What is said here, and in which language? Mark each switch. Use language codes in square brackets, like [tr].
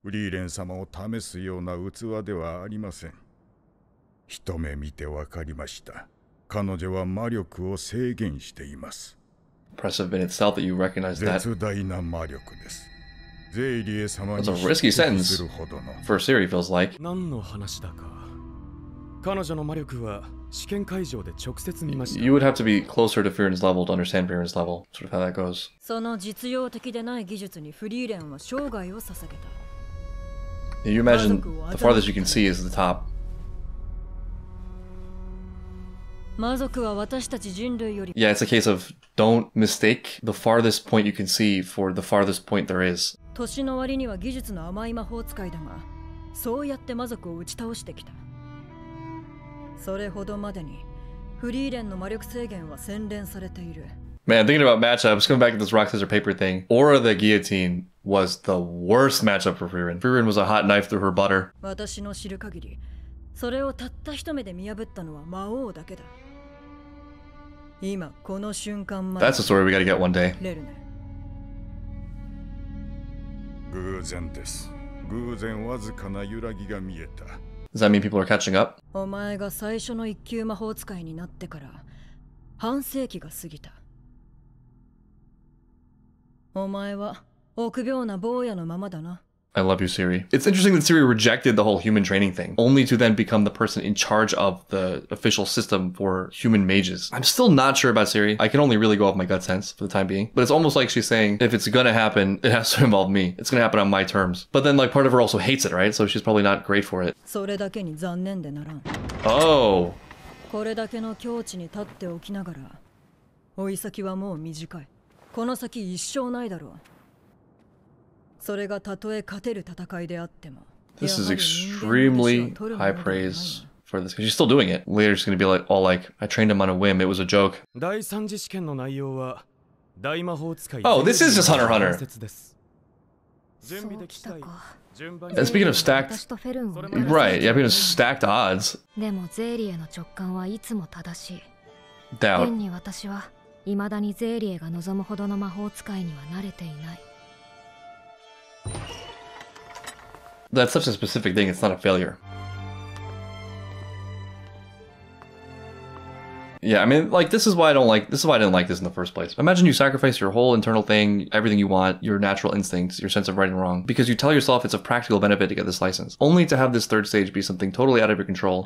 [en] Impressive in itself that you recognize that. That's a risky sentence for Serie, feels like. [ja] 何の話だか。彼女の魔力は試験会場で直接見ました。 [en] You would have to be closer to Frieren's level to understand Frieren's level. Sort of how that goes. [ja] その実用的でない技術にフリーレンは生涯を捧げた。 [en] You imagine the farthest you can see is the top. [ja] 魔族は私たち人類より。 [en] Yeah, it's a case of don't mistake the farthest point you can see for the farthest point there is. [ja] 年の割には技術の甘い魔法使いだが、そうやって魔族を打ち倒してきた。それほどまでにフリーレンの魔力制限は洗練されている。 [en] Man, thinking about matchups, coming back to this rock, scissors, paper thing, Aura the Guillotine was the worst matchup for Frieren. Frieren was a hot knife through her butter. [ja] 私の知る限り、それをたった一目で見破ったのは魔王だけだ。今、この瞬間まで。 [en] That's a story we gotta get one day. [ja] レルネ。偶然です。偶然わずかな揺らぎが見えた。 [en] Does that mean people are catching up? [ja] お前が最初の一級魔法使いになってから、半世紀が過ぎた。お前は臆病な坊やのままだな。 [en] I love you, Serie. It's interesting that Serie rejected the whole human training thing, only to then become the person in charge of the official system for human mages. I'm still not sure about Serie. I can only really go off my gut sense for the time being. But it's almost like she's saying, if it's gonna happen, it has to involve me. It's gonna happen on my terms. But then, like, part of her also hates it, right? So she's probably not great for it. [ja] それだけに残念でならん。 Oh! これだけの境地に立っておきながら、追い先はもう短い。この先一生ないだろう。それがたとえ勝てる戦いであっても。 [en] This is extremely high praise for this. She's still doing it. Later she's gonna be like, all like, I trained him on a whim. It was a joke. [ja] 第三次試験の内容は大魔法使い。 [en] Oh, this is just Hunter Hunter. [ja] そうきたか。 [en] And speaking of stacked, right? Yeah, speaking of stacked odds. [ja] でもゼリエの直感はいつも正しい。 [en] Doubt. [ja] 現に私は未だにゼリエが望むほどの魔法使いには慣れていない。 [en] That's such a specific thing, it's not a failure. Yeah, I mean, like, this is why I didn't like this in the first place. Imagine you sacrifice your whole internal thing, everything you want, your natural instincts, your sense of right and wrong, because you tell yourself it's a practical benefit to get this license, only to have this third stage be something totally out of your control.